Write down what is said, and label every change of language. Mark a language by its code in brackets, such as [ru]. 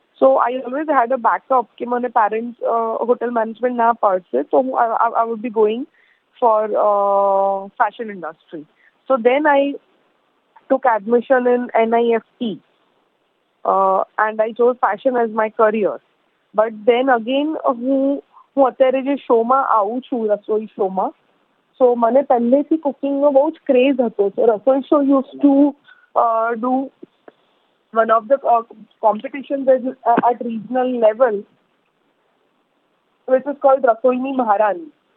[en] so I always had a backup [gu] કે મને parents hotel management ના પાડશે તો હું [en] I would be going for fashion industry. So then I took admission in NIFT and I chose fashion as my career. But then again, [gu] હું અત્યારે જે શોમાં આવું છું, રસોઈ શોમાં, સો મને પહેલેથી કુકિંગનો બહુ જ ક્રેઝ હતો. [en] So Rasoi show used to do one of the competition at regional level, which is called રસોઈની મહારાણી.